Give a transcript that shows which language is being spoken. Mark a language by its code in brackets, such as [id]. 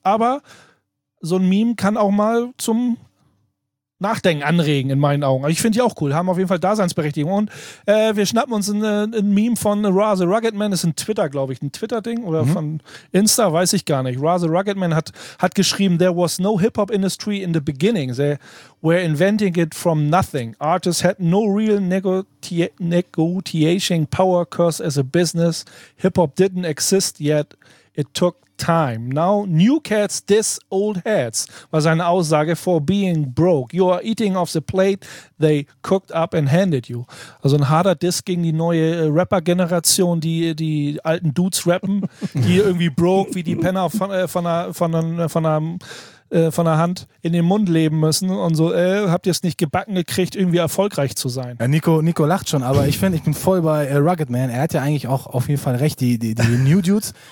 [de] Aber so ein Meme kann auch mal zum Nachdenken anregen, in meinen Augen. Ich finde die auch cool, haben auf jeden Fall Daseinsberechtigung. Und wir schnappen uns ein Meme von Ra the Rugged Man, ist ein Twitter, glaube ich, ein Twitter-Ding oder von Insta, weiß ich gar nicht. Ra the Rugged Man hat geschrieben, [en] there was no hip-hop industry in the beginning. They were inventing it from nothing. Artists had no real negotiation power, cause as a business, hip-hop didn't exist yet. It took time. Now new cats diss old heads, [de] war seine Aussage, [en] for being broke. You are eating off the plate they cooked up and handed you. [de] Also ein harter Diss gegen die neue Rapper-Generation, die alten Dudes rappen, die irgendwie broke, wie die Penner von der Hand in den Mund leben müssen und so, habt ihr es nicht gebacken gekriegt, irgendwie erfolgreich zu sein? Ja, Nico lacht schon, aber ich finde, ich bin voll bei Rugged Man. Er hat ja eigentlich auch auf jeden Fall recht, die New Dudes.